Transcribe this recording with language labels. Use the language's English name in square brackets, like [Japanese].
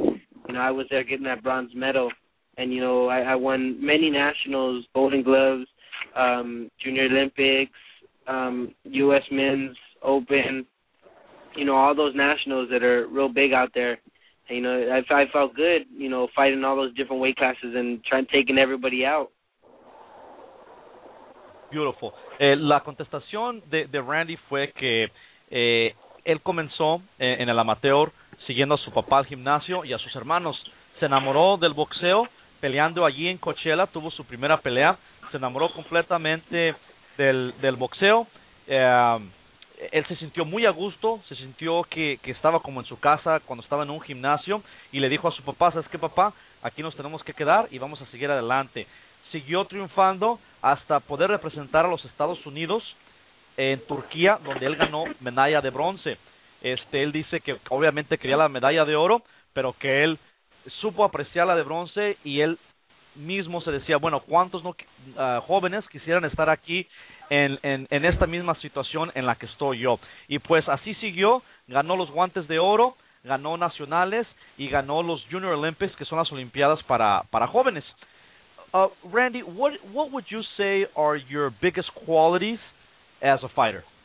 [English] You know, I was there getting that bronze medal, and, you know, I won many nationals, Golden Gloves, Junior Olympics, U.S. Men's Open, you know, all those nationals that are real big out there. You know, I felt good, you know, fighting all those different weight classes and trying taking everybody out. Beautiful. [Spanish] La contestación de Randy fue que él comenzó en el amateur siguiendo a su papá al gimnasio y a sus hermanos. Se enamoró del boxeo peleando allí en Coachella. Tuvo su primera pelea. se enamoró completamente del boxeo. Él se sintió muy a gusto, se sintió que estaba como en su casa cuando estaba en un gimnasio, y le dijo a su papá: ¿sabes qué, papá? Aquí nos tenemos que quedar y vamos a seguir adelante. Siguió triunfando hasta poder representar a los Estados Unidos en Turquía, donde él ganó medalla de bronce. Él dice que obviamente quería la medalla de oro, pero que él supo apreciar la de bronce, y él mismo se decía, bueno, ¿cuántos jóvenes quisieran estar aquí en esta misma situación en la que estoy yo? Y pues así siguió, ganó los guantes de oro, ganó nacionales y ganó los Junior Olympics, que son las olimpiadas para jóvenes. [English] Randy, what would you say are your biggest qualities as a fighter?